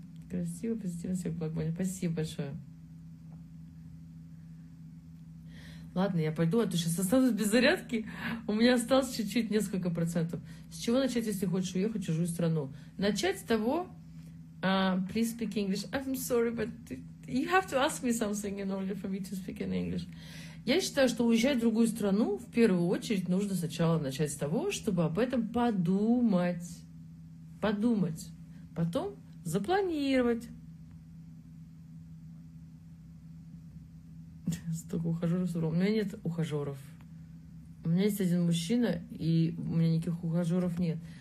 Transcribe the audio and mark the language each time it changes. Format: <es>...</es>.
<ru>Красиво, позитивно, все благополучно. Спасибо большое. Ладно, я пойду, а то сейчас останусь без зарядки. У меня осталось чуть-чуть, несколько процентов. С чего начать, если хочешь уехать в чужую страну? Начать с того...</ru> <en>please speak English. I'm sorry, but you have to ask me something in order for me to speak in English.</en> <ru>Я считаю, что уезжать в другую страну, в первую очередь, нужно сначала начать с того, чтобы об этом подумать. Подумать. Потом запланировать. Столько ухажеров, у меня нет ухажеров. У меня есть один мужчина, и у меня никаких ухажеров нет.</ru>